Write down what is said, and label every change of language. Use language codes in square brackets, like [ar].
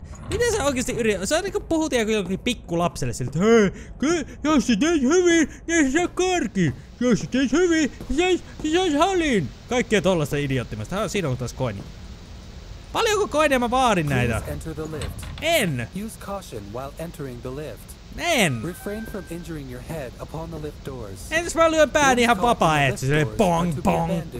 [fi] Miten sä oikeesti yrität? Sä niinku puhut jollekin pikkulapselle sille, että hei, jos sä teet hyvin, niin sä saat karki. Jos sä teet hyvin, niin sä saat halin. Kaikkea tollaista idioottimasta. Siinä on taas koini. Paljonko koineja mä vaadin näitä? [en] En! Use caution while entering the lift. En! Refrain from injuring your head upon the lift doors. [fi] Entäs mä lyön pääni ihan vapaaehtoisesti, silleen bong bong.